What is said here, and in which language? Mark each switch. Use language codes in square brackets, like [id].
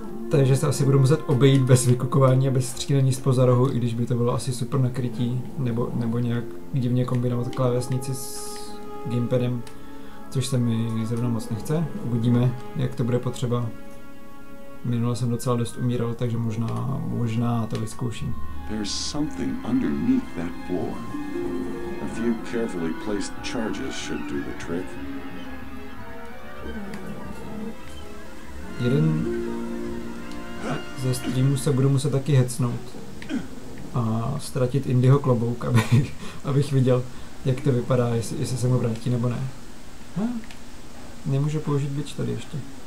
[cs] Takže se asi budu muset obejít bez vykukování a bez střílení z pozorhu, i když by to bylo asi super nakrytí, nebo nějak divně kombinovat klávesnici s gamepadem, což se mi zrovna moc nechce. Uvidíme, jak to bude potřeba. Minule jsem docela dost umíral, takže možná to vyzkouším. [en] There's something underneath that board. A few carefully placed charges should do the trick. [cs] Jeden ze streamů se budu muset taky hecnout a ztratit Indyho klobouk, abych viděl, jak to vypadá, jestli se mu vrátí nebo ne. Nemůžu použít bič tady ještě.